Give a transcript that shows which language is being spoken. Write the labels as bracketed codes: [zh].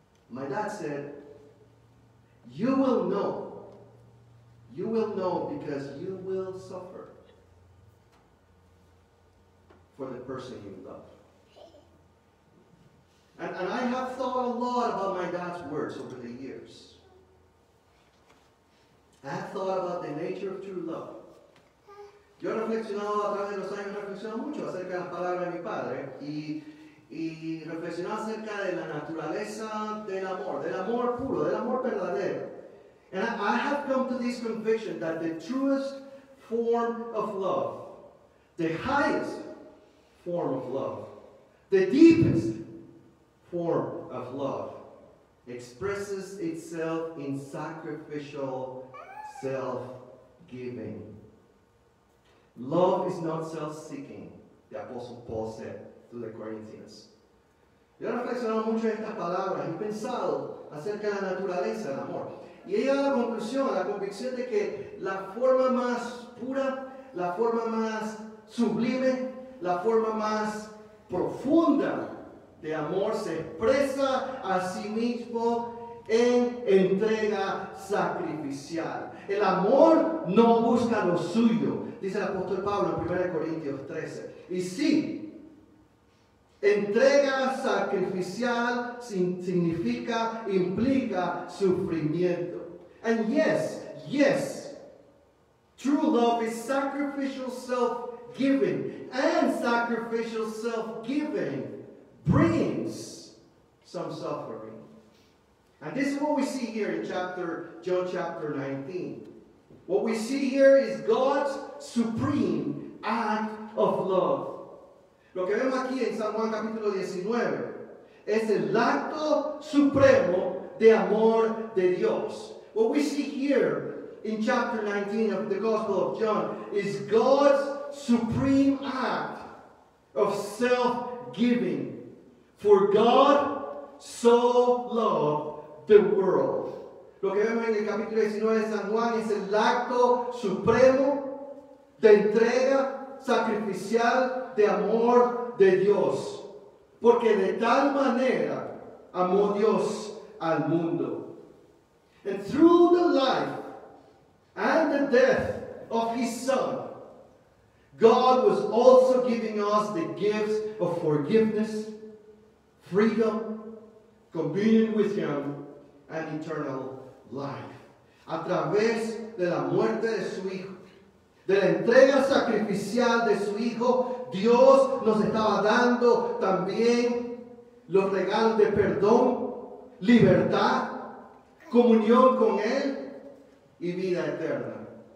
[en] My dad said, you will know because you will suffer for the person you love. And I have thought a lot about my dad's words over the years. I have thought about the nature of true love. [es] Yo reflexionado a través de los años, reflexionado mucho acerca de la palabra de mi padre, y reflexionar acerca de la naturaleza del amor puro, del amor verdadero. [en] And I have come to this conviction that the truest form of love, the highest form of love, the deepest form of love, expresses itself in sacrificial self-giving. Love is not self-seeking, the Apostle Paul said to the Corinthians. [es] Yo he reflexionado mucho en estas palabras y pensado acerca de la naturaleza del amor. Y he llegado a la conclusión, a la convicción de que la forma más pura, la forma más sublime, la forma más profunda de amor se expresa a sí mismo en entrega sacrificial. El amor no busca lo suyo, dice el apóstol Pablo en 1 Corintios 13. Y sí, entrega sacrificial significa, implica sufrimiento. [en] And yes, true love is sacrificial self-giving. And sacrificial self-giving brings some suffering. And this is what we see here in John chapter 19. What we see here is God's supreme act of love. [es] Lo que vemos aquí en San Juan capítulo 19 es el acto supremo de amor de Dios. [en] What we see here in chapter 19 of the Gospel of John is God's supreme act of self-giving. For God so loved the world. [es] Lo que vemos en el capítulo 19 de San Juan es el acto supremo de entrega sacrificial de amor de Dios, porque de tal manera amó Dios al mundo. [en] And through the life and the death of his son, God was also giving us the gifts of forgiveness, freedom, communion with him, and eternal life. [es] A través de la muerte de su hijo, de la entrega sacrificial de su Hijo, Dios nos estaba dando también los regalos de perdón, libertad, comunión con Él y vida eterna.